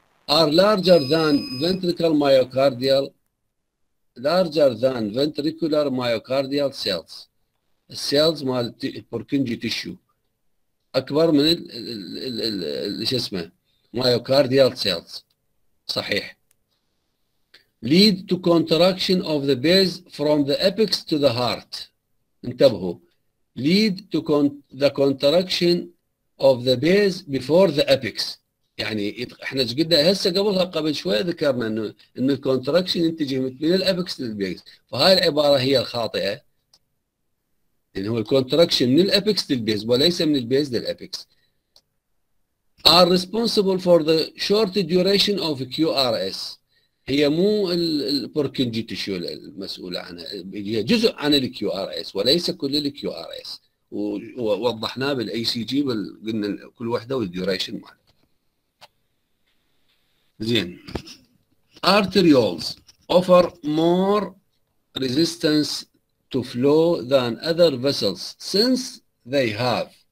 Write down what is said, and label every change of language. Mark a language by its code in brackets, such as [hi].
[en] are larger than ventricular myocardial cells. [ar] السيلز مال بوركينجي تيشو اكبر من شو اسمه myocardial cells. صحيح. [en] lead to contraction of the base from the apex to the heart. [ar] انتبهوا. [en] lead to the contraction of the base before the apex. [ar] يعني احنا قلنا هسه قبل شوي ذكرنا انه الكونتراكشن ينتجه من الابكس للبيز. فهاي العباره هي الخاطئه. لان هو الكونتراكشن من الابكس للبيز وليس من البيز للابكس. [en] are responsible for the short duration of QRS. [ar] هي مو البوركينجي تيشو المسؤولة عنها، هي جزء عن الكيو ار اس وليس كل الكيو ار اس، ووضحناه بالاي سي جي قلنا كل وحدة والديوريشن مالها. [en] زين arterioles offer more resistance to flow than other vessels since they have.